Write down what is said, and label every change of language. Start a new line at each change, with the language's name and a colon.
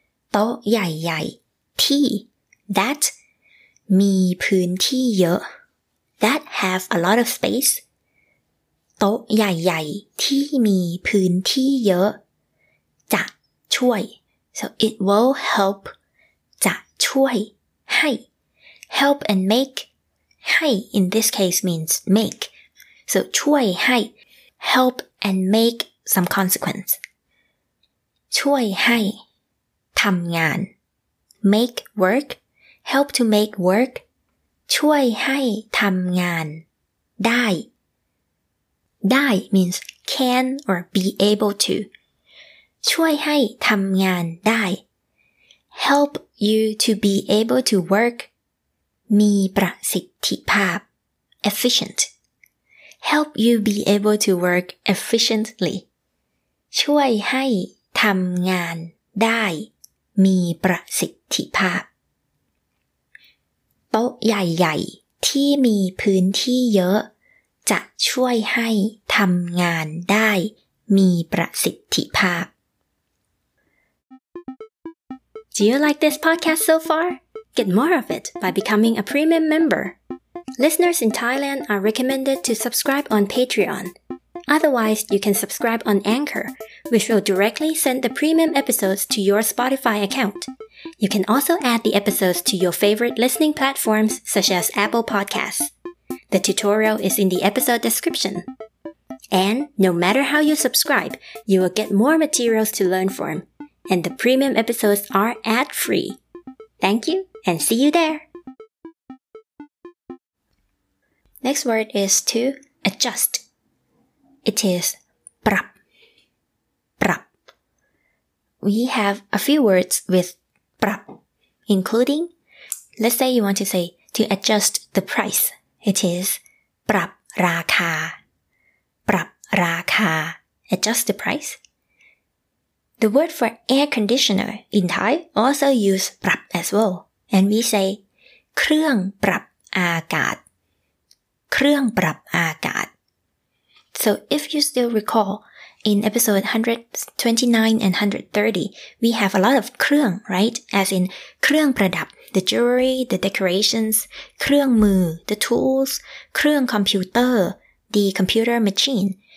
Thai: โต๊ะใหญ่ๆที่
English: that
Thai: มีพื้นที่เยอะ
English: that have a lot of space
Thai: โต๊ะใหญ่ๆที่มีพื้นที่เยอะจะช่วย
English: so it will help
Thai: จะช่วยให้
English: help and make ให้ in this case means make so ช่วยให้ help and make some consequence
Thai: ช่วยให้ทำงาน
English: make work help to make work
Thai: ช่วยให้ทำงานได้
English: ได้ means can or be able to
Thai: ช่วยให้ทำงานได้
English: help you to be able to work
Thai: มีประสิทธิภาพ
English: efficient help you be able to work efficiently
Thai: ช่วยให้ทำงานได้มีประสิทธิภาพโต๊ะใหญ่ๆที่มีพื้นที่เยอะจะช่วยให้ทำงานได้มีประสิทธิภาพ
English: Do you like this podcast so far? Get more of it by becoming a premium member. Listeners in Thailand are recommended to subscribe on Patreon. Otherwise, you can subscribe on Anchor, which will directly send the premium episodes to your Spotify account. You can also add the episodes to your favorite listening platforms such as Apple Podcasts. The tutorial is in the episode description. And no matter how you subscribe, you will get more materials to learn from. And the premium episodes are ad-free. Thank you, and see you there! Next word is to adjust. It is ปรับ ปรับ We have a few words with ปรับ including, let's say you want to say to adjust the price. It is
Thai: ปรับราคา ปรับราคา
English: adjust the price. The word for air conditioner in Thai also use ปรับ as well. And we say เครื่องปรับอากาศ เครื่องปรับอากาศ So if you still recall, in episode 129 and 130, we have a lot of เครื่อง, right? As in เครื่องประดับ, the jewelry, the decorations, เครื่องมือ, the tools, เครื่องคอมพิวเตอร์ the computer machine.